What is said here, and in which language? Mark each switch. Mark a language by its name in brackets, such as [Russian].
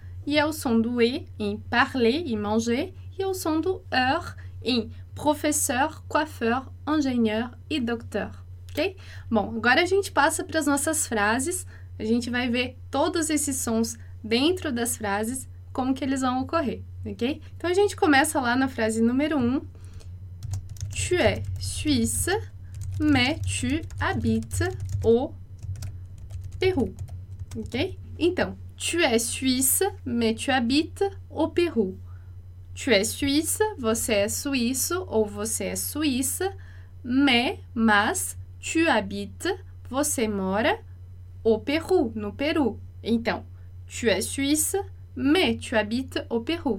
[Portuguese] E é o som do E em parler e manger. E é o som do er em professeur, coiffeur, engenheur e docteur. Ok? Bom, agora a gente passa para as nossas frases. A gente vai ver todos esses sons dentro das frases, como que eles vão ocorrer, ok? Então, a gente começa lá na frase número 1. [French] Tu es suisse, mais tu habites au Pérou, ok? Então, tu es suisse, mais tu habites au Pérou. Tu es suisse, [Portuguese] você é suíço ou você é suíça, [French] mas tu habites, [Portuguese] você mora [French] au Pérou, [Portuguese] no Peru. [French] Então, tu es suisse, mais tu habites au Pérou.